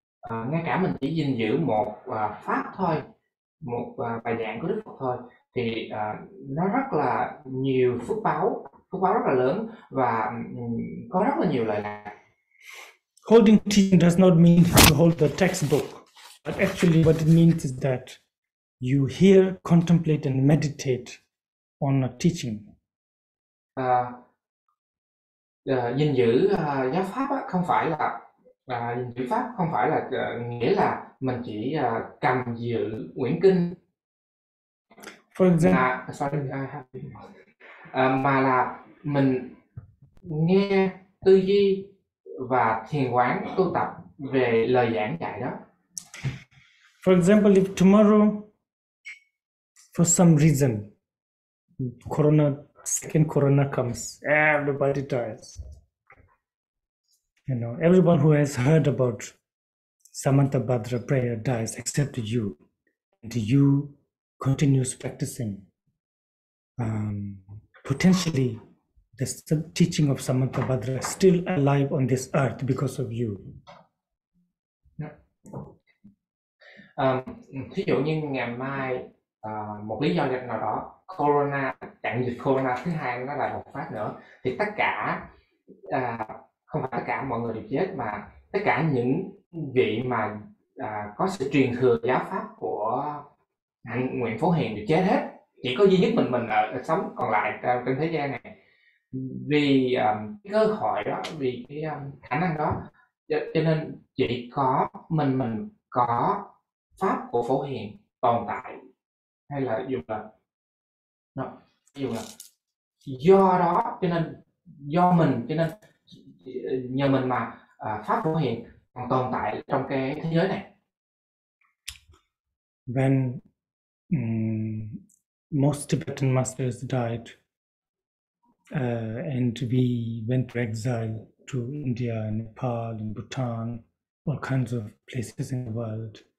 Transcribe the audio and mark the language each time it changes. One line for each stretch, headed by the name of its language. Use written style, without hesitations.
Vietnamese: Ngay cả mình chỉ gìn giữ một pháp thôi, một bài giảng của Đức Phật thôi, thì nó rất là nhiều phước báo rất là lớn và có rất là nhiều lời lạc.
English: Holding teaching does not mean to hold the textbook, but actually what it means is that you hear, contemplate and meditate on a teaching.
Vietnamese: Gìn giữ giáo pháp á, không phải là gìn giữ pháp không phải là nghĩa là mình chỉ cầm giữ quyển kinh.
English: For example,
Vietnamese: mà là mình nghe tư duy và thiền quán tu tập về lời giảng dạy đó.
English: For example, if tomorrow for some reason corona, second corona comes, everybody dies. You know, everyone who has heard about Samantha Bhadra prayer dies except you, and you continues practicing. Potentially, the teaching of Samantha Bhadra is still alive on this earth because of you.
Vietnamese: Thí dụ như ngày mai, một lý do nào đó, corona, chặn dịch corona thứ hai nó lại bùng phát nữa, thì tất cả không phải tất cả mọi người đều chết, mà tất cả những vị mà có sự truyền thừa giáo pháp của Nguyễn Phổ Hiền đều chết hết, chỉ có duy nhất mình ở sống còn lại trên thế gian này, vì cơ hội đó, vì cái khả năng đó, cho nên chỉ có mình có pháp của Phổ Hiền tồn tại, hay là dù là do đó, cho nên do mình, cho nên nhờ mình mà pháp Phổ Hiền còn tồn tại trong cái thế giới này.
English: When most Tibetan masters died, and we went to exile to India, Nepal, and Bhutan, all kinds of places in the world.